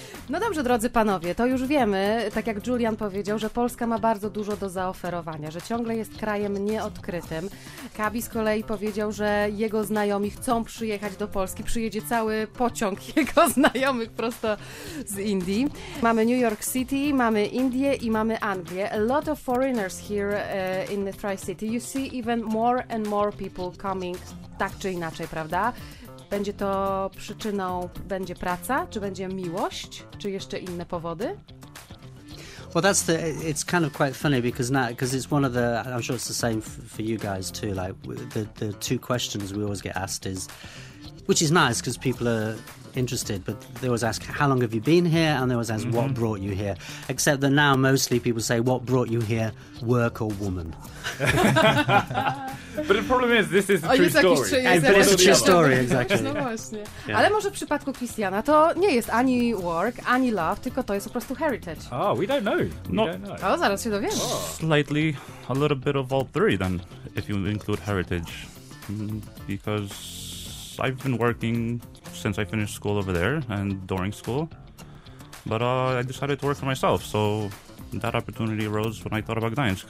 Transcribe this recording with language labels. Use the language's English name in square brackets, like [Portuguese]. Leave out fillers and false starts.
[Polish] No dobrze, drodzy panowie, to już wiemy, tak jak Julian powiedział, że Polska ma bardzo dużo do zaoferowania, że ciągle jest krajem nieodkrytym. Kabi z kolei powiedział, że jego znajomi chcą przyjechać do Polski, przyjedzie cały pociąg jego znajomych prosto z Indii. Mamy New York City, mamy Indie i mamy Anglię. [English] A lot of foreigners here in the Tri-City. You see even more and more people coming, [Polish] tak czy inaczej, prawda? Będzie to przyczyną, będzie praca, czy będzie miłość, czy jeszcze inne powody? [English] Well, that's the. It's kind of quite funny because now, because it's one of the. I'm sure it's the same for you guys too. Like the two questions we always get asked is, which is nice because people are interested, but they always ask how long have you been here, and they always ask what brought you here. Except that now mostly people say what brought you here, work or woman. But the problem is, this is a true story. It's a true story, exactly. [Polish] No właśnie. Yeah. Ale może w przypadku Christiana to nie jest ani work, ani love, tylko to jest po prostu heritage. [English] Oh, we don't know. We don't know. [Polish] O, zaraz się dowiemy. Oh. [English] Slightly, a little bit of all three then, if you include heritage. Because I've been working since I finished school over there and during school. But I decided to work for myself, so that opportunity arose when I thought about Gdańsk.